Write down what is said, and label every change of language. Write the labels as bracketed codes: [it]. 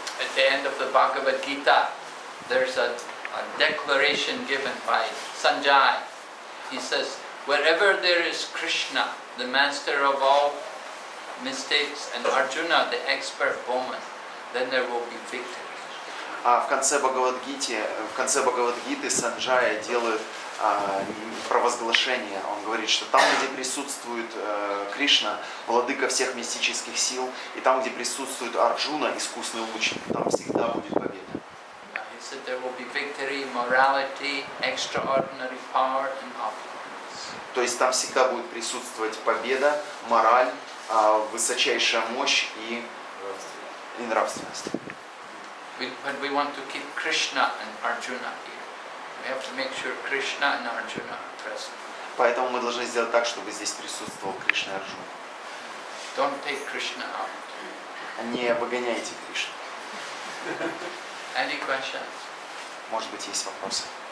[en] At the end of the Bhagavad Gita, there's a declaration given by Sanjay. He says, wherever there is Krishna, the master of all mistakes, and Arjuna, the expert bowman, then there will be victory. [ru] В конце Бхагавад-гиты Санджая делает провозглашение. Он говорит, что там, где присутствует Кришна, владыка всех мистических сил, и там, где присутствует Арджуна, искусный лучник, там всегда будет победа. [en] He said there will be victory, morality, extraordinary power, and opulence. [ru] То есть там всегда будет присутствовать победа, мораль, высочайшая мощь и нравственность. [en] When we want to keep Krishna and Arjuna here, we have to make sure Krishna and Arjuna are present. [ru] Поэтому мы должны сделать так, чтобы здесь присутствовал Кришна и Арджуна. [en] Don't take Krishna out. [ru] Не выгоняйте Кришну. [en] Any questions? [ru] Может быть, есть вопросы?